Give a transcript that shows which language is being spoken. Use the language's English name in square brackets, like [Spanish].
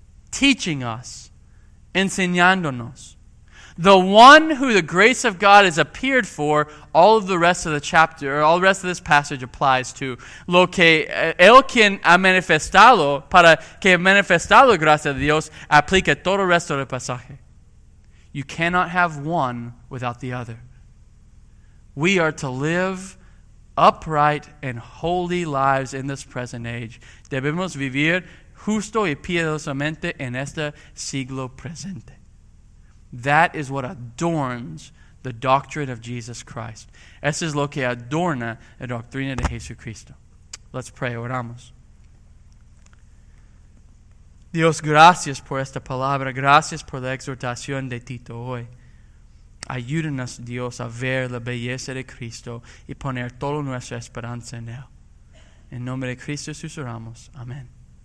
[English] Teaching us, [Spanish] enseñándonos. [English] The one who the grace of God has appeared for, all of the rest of the chapter, or all the rest of this passage applies to. [Spanish] Lo que el quien ha manifestado, para que ha manifestado gracia de Dios, aplica todo el resto del pasaje. [English] You cannot have one without the other. We are to live upright and holy lives in this present age. [Spanish] Debemos vivir justo y piadosamente en este siglo presente. [English] That is what adorns the doctrine of Jesus Christ. [Spanish] Eso es lo que adorna la doctrina de Jesucristo. [English] Let's pray. [Spanish] Oramos. Dios, gracias por esta palabra. Gracias por la exhortación de Tito hoy. Ayúdanos, Dios, a ver la belleza de Cristo y poner toda nuestra esperanza en Él. En nombre de Cristo, Jesús, oramos. Amén.